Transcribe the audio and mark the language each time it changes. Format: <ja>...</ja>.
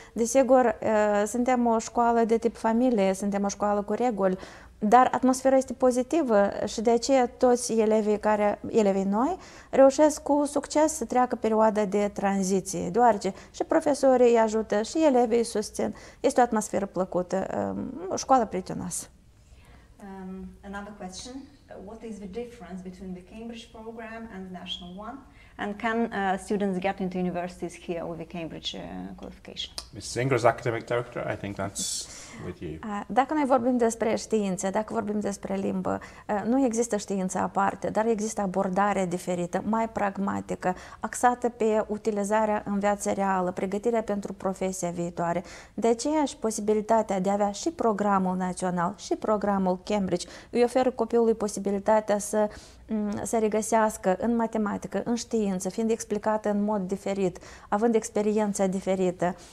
<ro>Desigur, suntem o școală de tip familie, suntem o școală cu reguli, dar atmosfera este pozitivă și de aceea toți elevii noi reușesc cu succes să treacă perioada de tranziție, deoarece și profesorii îi ajută și elevii îi susțin. Este o atmosferă plăcută, o școală prietenoasă.</ro> <en>Another question, what is the difference between the Cambridge program and the national one? And can students get into universities here with a Cambridge qualification? Ms. Singer is academic director, I think that's with you.</en> <ro>Dacă noi vorbim despre știință, dacă vorbim despre limbă, nu există știință aparte, dar există abordare diferită, mai pragmatică, axată pe utilizarea în viața reală, pregătirea pentru profesia viitoare. De aceea și posibilitatea de a avea și programul național, și programul Cambridge, îi oferă copilului posibilitatea să regăsească în matematică, în știință, fiind explicată în mod diferit, având experiența diferită.</ro>